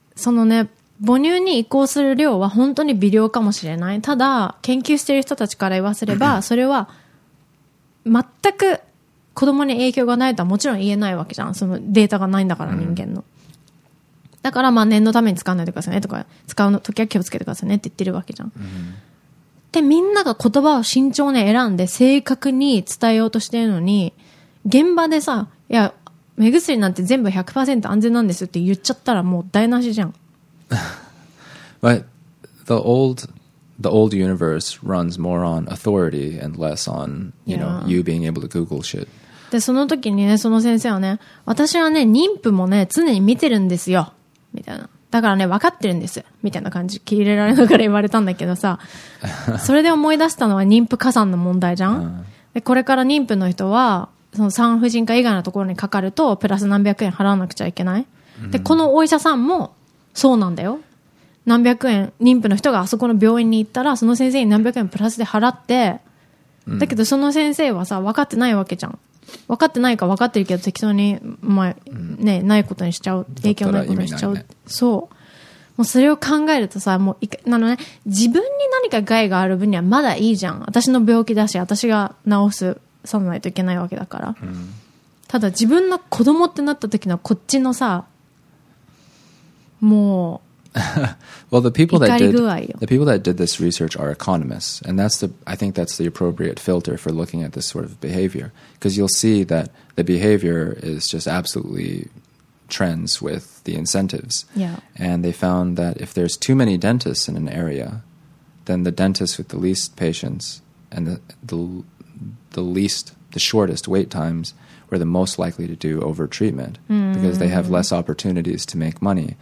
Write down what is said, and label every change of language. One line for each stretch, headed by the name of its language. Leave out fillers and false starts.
Japanese: そのね母乳に移行する量は本当に微量かもしれないただ研究している人たちから言わせればそれは全く子供に影響がないとはもちろん言えないわけじゃんそのデータがないんだから人間の、うん、だからまあ念のために使わないでくださいねとか使うの時は気をつけてくださいねって言ってるわけじゃん、うん、でみんなが言葉を慎重に選んで正確に伝えようとしてるのに現場でさいや目薬なんて全部 100% 安全なんですって言っちゃったらもう台無しじゃん
English: But the old universe runs more on authority and less on, you know, you being able to Google shit.
Japanese: で、その時にね、その先生はね、私はね、妊婦もね、常に見てるんですよ。みたいな。だからね、分かってるんです。みたいな感じ、切り入れられながら言われたんだけどさ、それで思い出したのは妊婦加算の問題じゃん。で、これから妊婦の人は、その産婦人科以外のところにかかると、プラス何百円払わなくちゃいけない。で、このお医者さんも、そうなんだよ。何百円妊婦の人があそこの病院に行ったらその先生に何百円プラスで払って、うん、だけどその先生はさ分かってないわけじゃん分かってないか分かってるけど適当に、まあうんね、ないことにしちゃう影響ないことにしちゃう、ね、そう、もうそれを考えるとさもういなの、ね、自分に何か害がある分にはまだいいじゃん私の病気だし私が治すさないといけないわけだから、うん、ただ自分の子供ってなった時のこっちのさもう
English: Well, the people that did this research are economists, and I think that's the appropriate filter for looking at this sort of behavior, because you'll see that the behavior is just absolutely trends with the incentives. Yeah. And they found that if there's too many dentists in an area, then the dentist with the least patients and the shortest wait times were the most likely to do over-treatment because they have less opportunities to make money.